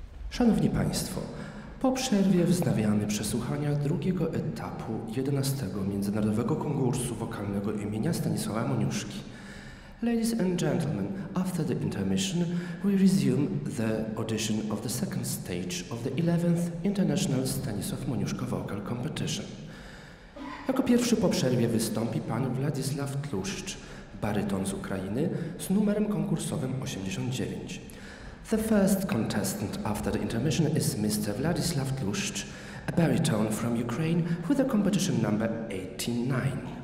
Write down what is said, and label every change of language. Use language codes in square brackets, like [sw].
[pl] Szanowni Państwo, po przerwie wznawiamy przesłuchania drugiego etapu 11. Międzynarodowego Konkursu Wokalnego imienia Stanisława Moniuszki. [en] Ladies and gentlemen, after the intermission, we resume the audition of the second stage of the 11th International Stanisław Moniuszko Vocal Competition. [pl] Jako pierwszy po przerwie wystąpi pan Władysław Tłuszcz, baryton z Ukrainy, z numerem konkursowym 89. [en] The first contestant after the intermission is Mr. Władysław Tłuszcz, a baritone from Ukraine with a competition number 89.